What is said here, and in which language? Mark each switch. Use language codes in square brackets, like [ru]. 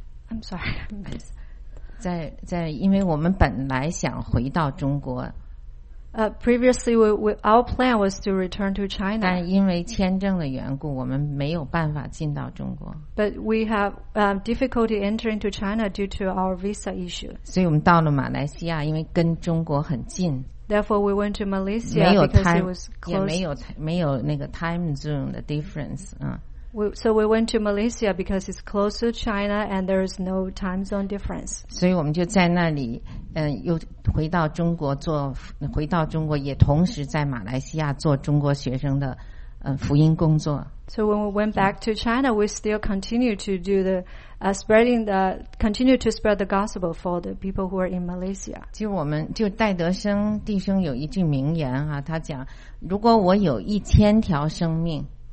[en] I'm sorry. [zh] 在因为我们本来想回到中国。 [en] Previously, our plan was to return to China. [zh] 但因为签证的缘故，我们没有办法进到中国。 [en] But we have difficulty entering to China due to our visa issue. [zh] 所以我们到了马来西亚，因为跟中国很近。 [en] Therefore, we went to Malaysia because it was close. So we went to Malaysia because it's close to China and there is no time zone difference. [zh] 所以我们就在那里，又回到中国做，回到中国也同时在马来西亚做中国学生的，福音工作。 [en] So when we went back to China, we still continue to do the continue to spread the gospel for the people who are in Malaysia. [zh] 就我们就戴德生弟兄有一句名言啊，他讲，如果我有1000条生命。